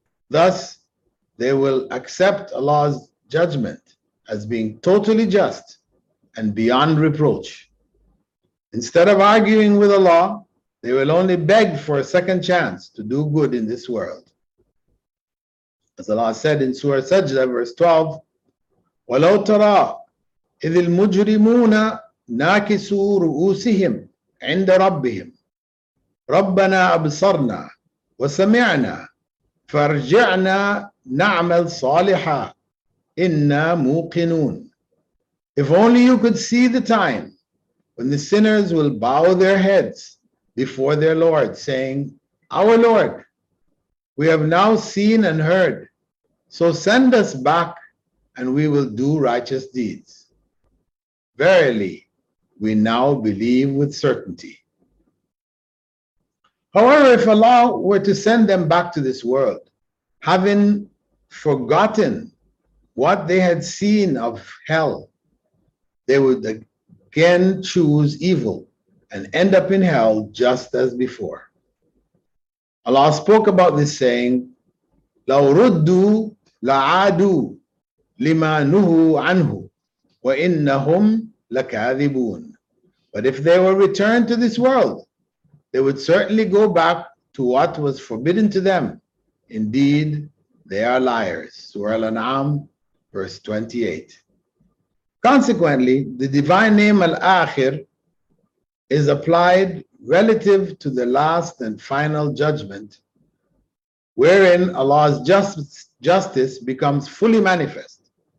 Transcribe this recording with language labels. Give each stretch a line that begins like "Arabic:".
English: Thus, they will accept Allah's judgment as being totally just and beyond reproach. Instead of arguing with Allah, they will only beg for a second chance to do good in this world. As Allah said in Surah Sajdah, verse 12,
Arabic: وَلَوْ تَرَىٰ إِذِ الْمُجْرِمُونَ نَاكِسُوا رُؤُوسِهِمْ عِنْدَ رَبِّهِمْ رَبَّنَا أَبْصَرْنَا وَسَمِعْنَا فَارْجِعْنَا نَعْمَلْ صَالِحًا Inna muqinun.
English: If only you could see the time when the sinners will bow their heads before their Lord, saying, our Lord, we have now seen and heard, so send us back and we will do righteous deeds. Verily, we now believe with certainty. However, if Allah were to send them back to this world, having forgotten what they had seen of hell, they would again choose evil and end up in hell just as before. Allah spoke about this, saying,
Arabic: لَوْ رُدُّوا لَعَادُوا لِمَا نُهُوا عَنْهُ وَإِنَّهُمْ لَكَاذِبُونَ.
English: But if they were returned to this world, they would certainly go back to what was forbidden to them. Indeed, they are liars. Surah Al-An'am, verse 28. Consequently, the divine name Al-Akhir is applied relative to the last and final judgment, wherein Allah's justice becomes fully manifest.